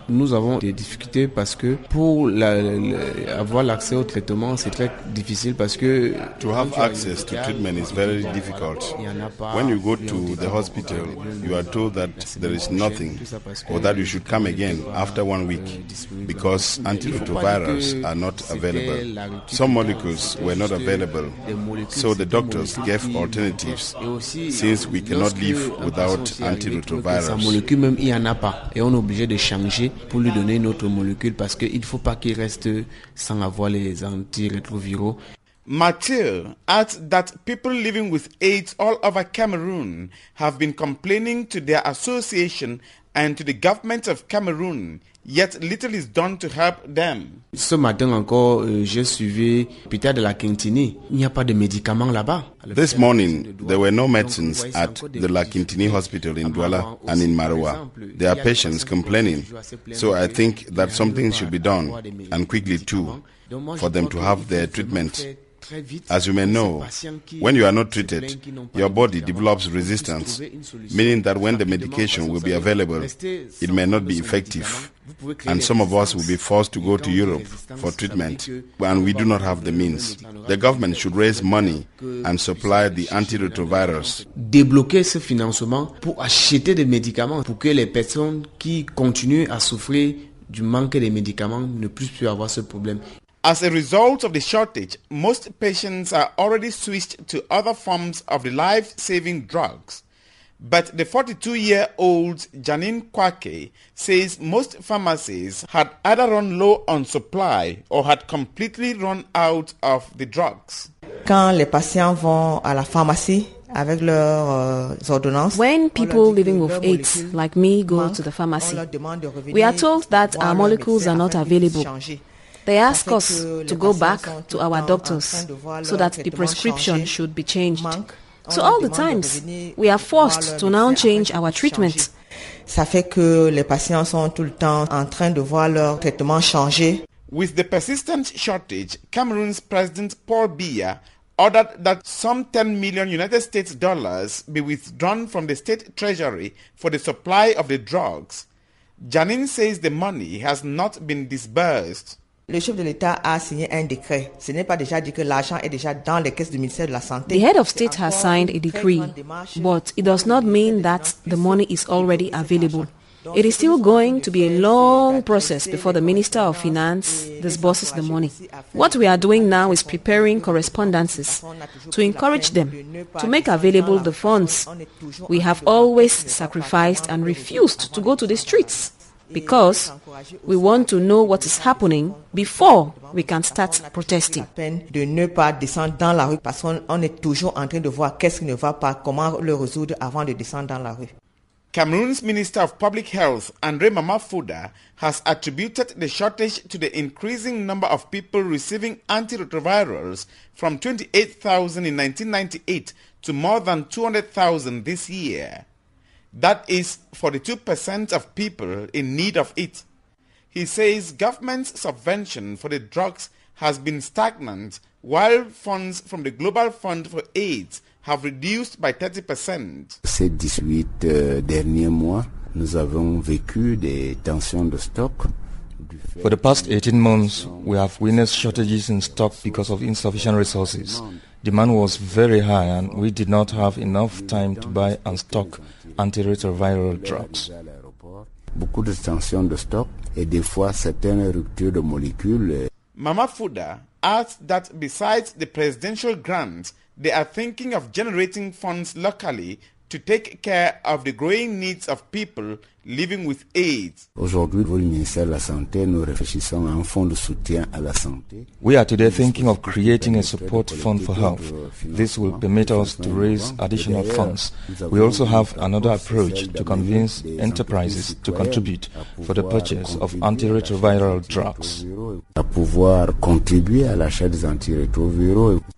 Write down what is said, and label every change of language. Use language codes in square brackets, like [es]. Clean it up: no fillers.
[fr] Nous avons des difficultés parce que pour avoir l'accès au traitement, c'est très difficile parce que... [en] To have access to treatment is very difficult. When you go to the hospital, you are told that there is nothing or that you should come again after 1 week because antiretrovirals are not available. Some molecules were not available, so the doctors gave alternatives since we cannot live without antiretrovirals. [fr] Sa molécule même, il n'y en a pas et on est obligé de changer pour lui donner une autre molécule parce qu'il ne faut pas qu'il reste sans avoir les antirétroviraux. [en] Mathieu adds that people living with AIDS all over Cameroon have been complaining to their association and to the government of Cameroon, yet little is done to help them. [fr] Ce matin encore, j'ai suivi l'hôpital de la Quintini. Il n'y a pas de médicaments là-bas. [en] This morning, there were no medicines at the La Quintini Hospital in Douala and in Maroua. There are patients complaining, so I think that something should be done, and quickly too, for them to have their treatment. As you may know, when you are not treated, your body develops resistance, meaning that when the medication will be available, it may not be effective, and some of us will be forced to go to Europe for treatment, and we do not have the means. The government should raise money and supply the antiretrovirals. [fr] Débloquer ce financement pour acheter des médicaments pour que les personnes qui continuent à souffrir du manque des médicaments ne puissent plus avoir ce problème. [en] As a result of the shortage, most patients are already switched to other forms of the life-saving drugs. But the 42-year-old Janine Kwake says most pharmacies had either run low on supply or had completely run out of the drugs. [fr] Quand les patients vont à la pharmacie, avec leurs ordonnances. [en] When people living with AIDS, like me, go to the pharmacy, we are told that our molecules are not available. They ask us to go back to our doctors so that the prescription should be changed. So all the times, we are forced to now change our treatment. [fr] Ça fait que les patients sont tout le temps en train de voir leur traitement changer. [en] With the persistent shortage, Cameroon's president Paul Biya ordered that some $10 million United States be withdrawn from the state treasury for the supply of the drugs. Janine says the money has not been disbursed. [fr] Le chef de l'État a signé un décret. Ce n'est pas déjà dit que l'argent est déjà dans les caisses du ministère de la Santé. [en] The head of state has signed a decree, but it does not mean that the money is already available. It is still going to be a long process before the Minister of Finance disburses the money. What we are doing now is preparing correspondences to encourage them to make available the funds. We have always sacrificed and refused to go to the streets, because we want to know what is happening before we can start protesting. [fr] De ne pas descendre dans la rue parce qu'on est toujours en train de voir qu'est-ce qui ne va pas, comment le résoudre avant de descendre dans la rue. [en] Cameroon's Minister of Public Health, André Mama Fouda, has attributed the shortage to the increasing number of people receiving antiretrovirals from 28,000 in 1998 to more than 200,000 this year. That is 42% of people in need of it. He says government's subvention for the drugs has been stagnant, while funds from the Global Fund for AIDS have reduced by 30%. [fr] Ces 18 derniers mois, nous avons vécu des tensions de stock. [en] For the past 18 months, we have witnessed shortages in stock because of insufficient resources. Demand was very high and we did not have enough time to buy and stock antiretroviral drugs. [fr] Beaucoup de tensions de stock et des fois certaines ruptures de molécules. [en] Mama Fouda adds that besides the presidential grant, they are thinking of generating funds locally to take care of the growing needs of people living with AIDS. [fr] Aujourd'hui, au ministère de la Santé, nous réfléchissons à un fonds de soutien à la santé. [en] We are today thinking of creating a support fund for health. This will permit us to raise additional funds. We also have another approach to convince enterprises to contribute for the purchase of antiretroviral drugs. [fr] À pouvoir contribuer à l'achat des antirétroviraux.